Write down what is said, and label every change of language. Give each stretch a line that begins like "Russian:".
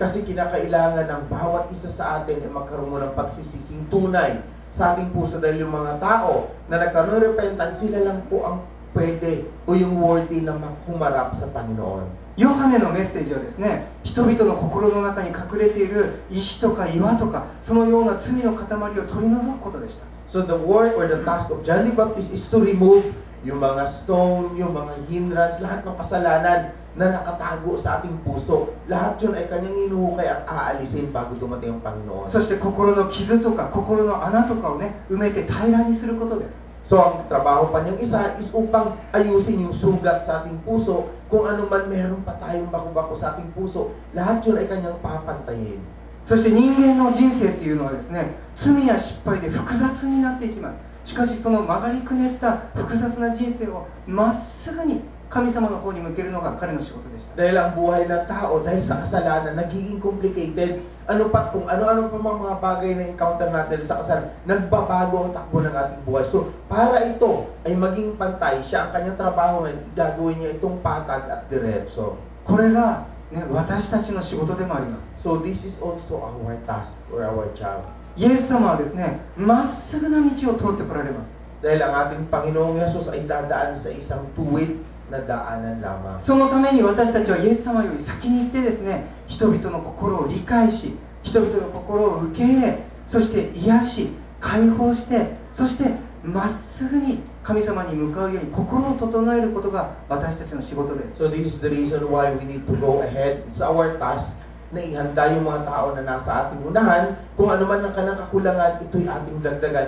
Filipino: Kasi kinakailangan ng bawat isa sa atin ay magkaroon ng pagsisising tunay sa ating puso dahil yung mga tao na nagkaroon ng repentance, sila lang po ang pwede o yung worthy na humarap sa Panginoon.
Japanese: Yohane のメッセージはですね、人々の心の中に隠れている石とか岩とか、そのような罪の塊を取り除くことでした。
English: So the work or the task of John the Baptist is to remove yung mga stone, yung mga hindrance,
Filipino: lahat ng kasalanan na nakatago sa ating puso. Lahat yun ay kanyang inuukay at aalisin bago dumating ang Panginoon.
Japanese: そして心の傷とか心の穴とかをね、埋めて平らにすることです。
Filipino: So ang trabaho pa niyang isa is upang ayusin yung sugat sa ating puso, kung ano man meron pa tayong bako-bako sa ating puso, lahat yun ay kanyang papantayin.
Japanese: そして人間の人生っていうのはですね、罪や失敗で複雑になっていきます。しかしその曲がりくねった複雑な人生をまっすぐに神様の方に向けるのが彼の仕事でした。
Filipino: dahil ang buhay ng tao, dahil sa kasalanan, nagiging complicated. Ano pa kung ano-ano pa mga bagay na encounter natin sa kasalanan, nagbabago ang takbo ng ating buhay. So, para ito ay maging pantay, siya ang kanyang trabaho ngayon, igagawin niya itong patag at diretso.
Japanese: これが、ね、私たちの仕事でもあります。
English: So, this is also our task or our job.
Japanese: イエス様はですね、まっすぐな道を通ってこられます。
Filipino: dahil ang ating Panginoong Yesus ay dadaan sa isang tuwid na daanan lamang.
Japanese: そのために私たちはイエス様より先に行ってですね、人々の心を理解し、人々の心を受け入れ、そして癒し、解放して、そしてまっすぐに神様に向かうように心を整えることが私たちの仕事です。
English: So this is the reason why we need to go ahead. It's our task
Filipino: na ihanda yung mga tao na nasa ating unahan. Kung ano man ang kanilang kakulangan, ito'y ating dagdagan.